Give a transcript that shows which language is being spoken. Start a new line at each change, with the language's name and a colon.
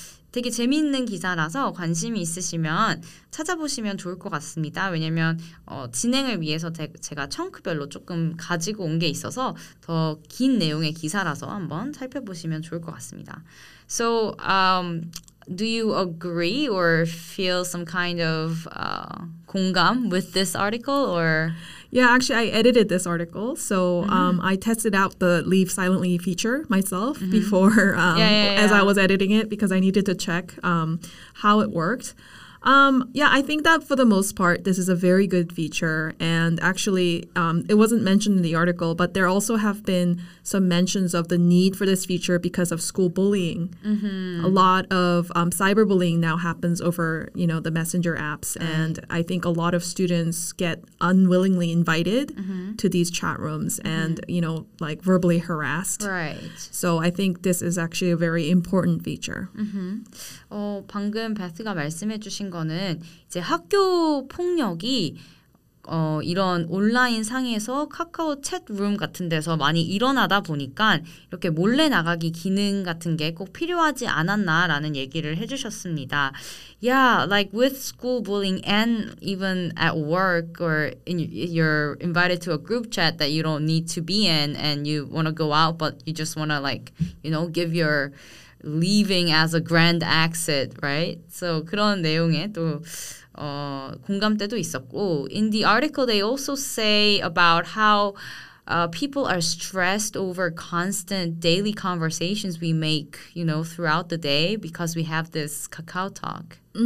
Korean: 되게 재미있는 기사라서 관심이 있으시면 찾아보시면 좋을 것 같습니다. 왜냐면 진행을 위해서 제가 청크별로 조금 가지고 온 게 있어서 더 긴 내용의 기사라서 한번 살펴보시면 좋을 것 같습니다.
English: So, do you agree or feel some kind of 공감 with this article or... Yeah, actually, I edited this article, so I tested out the leave silently feature myself before as I was editing it because I needed to check how it worked. Yeah, I think that for the most part, this is a very good feature, and actually, it wasn't mentioned in the article, but there also have been some mentions of the need for this feature because of school bullying. A lot of cyberbullying now happens over, you know, the messenger apps, and I think a lot of students get unwillingly invited to these chat rooms and, you know, like verbally harassed. Right. So I think this is actually a very important feature.
Korean: 방금 베스가 말씀해 주신 거는 이제 학교 폭력이 이런 온라인 상에서 카카오 챗룸 같은 데서 많이 일어나다 보니까 이렇게 몰래 나가기 기능 같은 게 꼭 필요하지 않았나라는 얘기를 해주셨습니다.
English: Yeah, like with school bullying and even at work or in, you're invited to a group chat that you don't need to be in and you want to go out but you just want to like, you know, give your... leaving as a grand exit, right? So
Korean: 그런 내용에 또 공감대도 있었고
English: in the article they also say about how people are stressed over constant daily conversations we make, you know, throughout the day because we have this KakaoTalk.